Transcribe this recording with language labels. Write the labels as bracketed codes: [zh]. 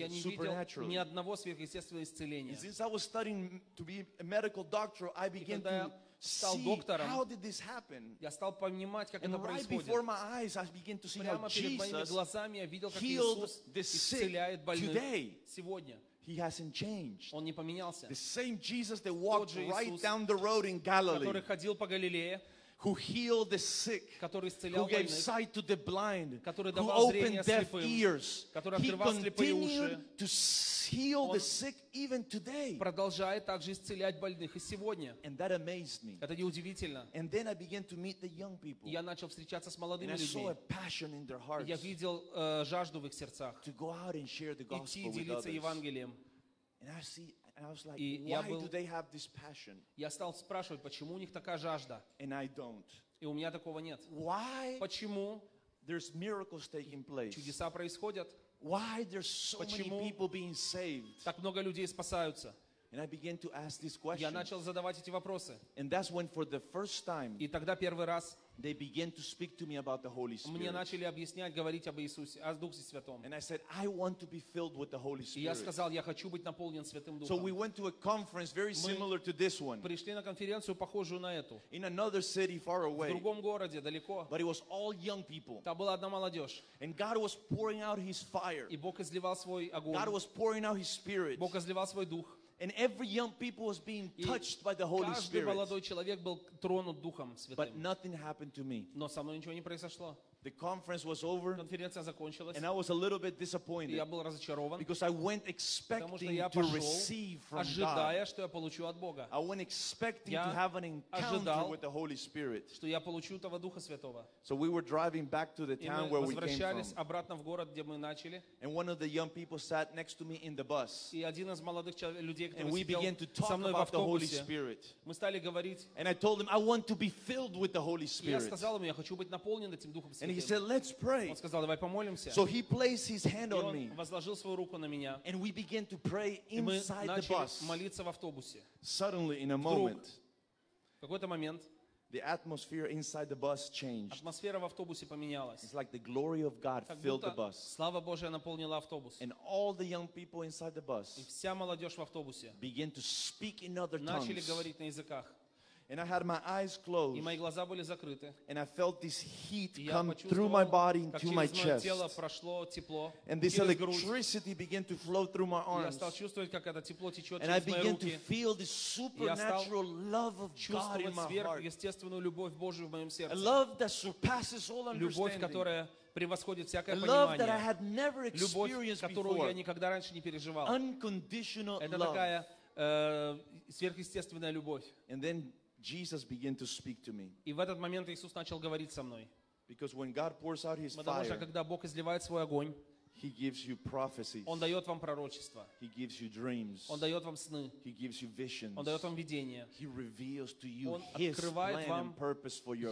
[ru] Я не видел ни одного сверхъестественного исцеления. [en] And since I was studying to be a medical doctor, I began to [ru] стал доктором, [en] how did this happen? [ru] Я стал понимать, как [en] and [ru] это [en] right [ru] происходит. Прямо перед моими глазами я видел, как Иисус исцеляет больных [en] today. [ru] Сегодня. [en] He hasn't changed. [ru] Он не поменялся. [en] The same Jesus that walked right down the road in Galilee, [ru] который ходил по Галилее, [en] who healed the sick, [ru] который исцелял [en] who [ru] больных, [en] gave sight to the blind, [ru] который давал [en] who [ru] зрение [en] opened deaf [ru] слепым, [en] ears, [ru] который открывал слепые уши, [en] to heal the sick even today. [ru] Продолжает также исцелять больных и сегодня. [en] And that amazed me. [ru] Это неудивительно. [en] And then I began to meet the young people. [ru] Я начал встречаться с молодыми людьми. [en] And I saw a passion in their hearts. [ru] Я видел жажду в их сердцах. [en] To go out and share the gospel with others. [ru] Идти делиться Евангелием. [en] And I see. And I was like, why do they have this passion? [ru] Я стал спрашивать, почему у них такая жажда? [en] And I don't. [ru] И у меня такого нет. [en] Why? [ru] Почему? [en] There's miracles taking place. [ru] Чудеса происходят. [en] Why there's so many people being saved? [ru] Так много людей спасаются. [en] And I began to ask these questions. [ru] Я начал задавать эти вопросы. [en] And that's when for the first time, [ru] и тогда первый раз, [en] they began to speak to me about the Holy Spirit. [ru] Мне начали объяснять, говорить об Иисусе, о Духе Святом. [en] And I said, I want to be filled with the Holy Spirit. [ru] И я сказал, я хочу быть наполнен Святым Духом. [en] So we went to a conference very similar to this one. [ru] Пришли на конференцию, похожую на эту. [en] In another city far away. [ru] В другом городе, далеко. [en] But it was all young people. [ru] Там была одна молодежь. [en] And God was pouring out His fire. [ru] И Бог изливал свой огонь. [en] God was pouring out His Spirit. [ru] Бог изливал свой дух. [en] And every young people was being touched by the Holy Spirit. [ru] Каждый молодой человек был тронут Духом Святым. [en] But nothing happened to me. [ru] Но со мной ничего не произошло. [en] The conference was over. [ru] Конференция закончилась. [en] And I was a little bit disappointed. [ru] Я был разочарован. [en] Because I went expecting to receive from God. [ru] Ожидая, что я получу от Бога. [en] I went expecting to have an encounter with the Holy Spirit. [ru] Что я получу этого Духа Святого. [en] So we were driving back to the town where we came from. [ru] И мы возвращались обратно в город, где мы начали. [en] And one of the young people sat next to me in the bus. [ru] И один из молодых людей, который сидел со мной в автобусе. [en] And we began to talk about the Holy Spirit. [ru] Мы стали говорить. [en] And I told him, I want to be filled with the Holy Spirit. [ru] Я сказал ему, я хочу быть наполнен этим Духом Святым. [en] And he said, "Let's pray." [ru] Он сказал, давай помолимся. [en] So he placed his hand on me. [ru] Возложил свою руку на меня. [en] And we began to pray inside the bus. [ru] Мы начали молиться в автобусе. [en] Suddenly, in a moment, [ru] в какой-то момент, [en] the atmosphere inside the bus changed. [ru] Атмосфера в автобусе поменялась. [en] It's like the glory of God filled the bus. [ru] Слава Божия наполнила автобус. [en] And all the young people inside the bus, [ru] и вся молодежь в автобусе, [en] began to speak in other tongues. [ru] Начали говорить на языках. [en] And I had my eyes closed. [ru] И мои глаза были закрыты. [en] And I felt this heat come through my body into my chest. [ru] Тело прошло тепло. [en] And this electricity began to flow through my arms. [ru] Я стал чувствовать, как это тепло течет через мои руки. [en] And I began to feel this supernatural love of God in my heart. [ru] Сверхъестественную любовь Божию в моем сердце. [en] A love that surpasses all understanding. [ru] Любовь, которая превосходит всякое понимание. [en] Love that I had never experienced before. [ru] Любовь, которую я никогда раньше не переживал. [en] Unconditional love. [ru] Это такая сверхъестественная любовь. [en] And then Jesus began to speak to me. [ru] И в этот момент Иисус начал говорить со мной. [en] Because when God pours out His fire, [ru] потому что когда Бог изливает свой огонь, [en] He gives you prophecies. [ru] Он дает вам пророчества. [en] He gives you dreams. [ru] Он дает вам сны. [en] He gives you visions. [ru] Он дает вам видения. [en] He reveals to you [ru] Он открывает [en] His [ru] вам [en] plan and purpose for your